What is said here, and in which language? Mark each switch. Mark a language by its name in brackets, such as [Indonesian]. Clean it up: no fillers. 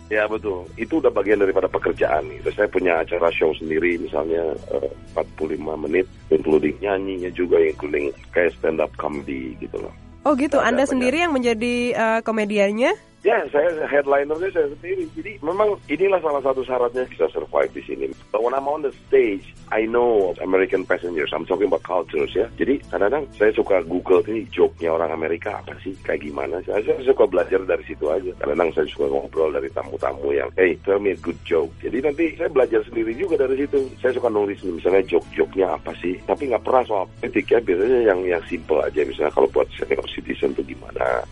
[Indonesian] Ya betul, itu udah bagian daripada pekerjaan. Saya punya acara show sendiri, misalnya 45 menit, including nyanyinya juga, including kayak stand up comedy gitu loh. Oh gitu, Anda sendiri yang menjadi komediannya? Ya, saya headlinernya saya sendiri. Jadi memang inilah salah satu syaratnya bisa survive di sini. [English] But when I'm on the stage, I know American passengers. I'm talking about cultures ya. [Indonesian] Jadi kadang-kadang saya suka Google ini joke-nya orang Amerika apa sih, kayak gimana. Saya suka belajar dari situ aja. Kadang-kadang saya suka ngobrol dari tamu-tamu yang, [English] hey, tell me a good joke. [Indonesian] Jadi nanti saya belajar sendiri juga dari situ. Saya suka nulis misalnya joke-joke-nya apa sih. Tapi nggak pernah soal politik ya. Biasanya yang simple aja. Misalnya kalau buat senior citizen itu gimana.